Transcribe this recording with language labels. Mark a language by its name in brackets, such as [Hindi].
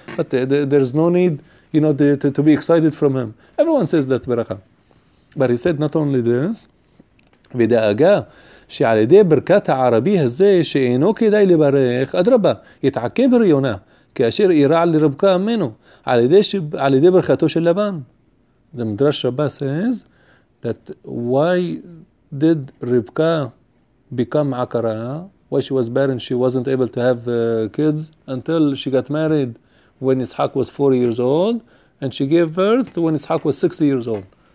[English] But there's no need, you know, to be excited from him. Everyone says that beracha, but he said not only this. V'da'aga. [Hebrew] שעל ידי ברכת הערבי הזה שאינו כדאי לברך, אדרבה, יתעכב הריונה, כאשר אירע לרבקה אמנו, על ידי ברכתו של לבן. [English] The Midrash Rabbah says that why did Rebecca become akara? Why she was barren, she wasn't able to have kids until she got married when Ishaq was 40 years old, and she gave birth when Ishaq was 60 years old.